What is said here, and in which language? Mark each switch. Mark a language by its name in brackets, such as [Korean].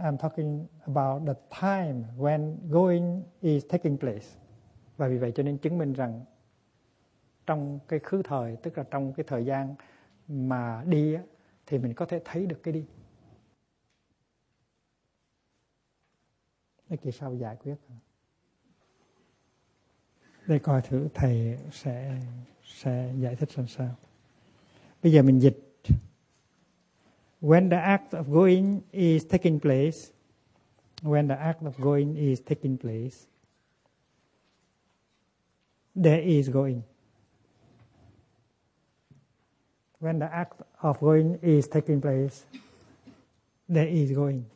[English] I'm talking about the time when going is taking place. [Vietnamese] Và vì vậy cho nên chứng minh rằng trong cái khứ thời, tức là trong cái thời gian mà đi, thì mình có thể thấy được cái đi. Cái kỳ sau giải quyết. Để coi thử thầy sẽ giải thích làm sao. Bây giờ mình dịch. [English] When the act of going is taking place, when the act of going is taking place, there is going. When the act of going is taking place, there is going.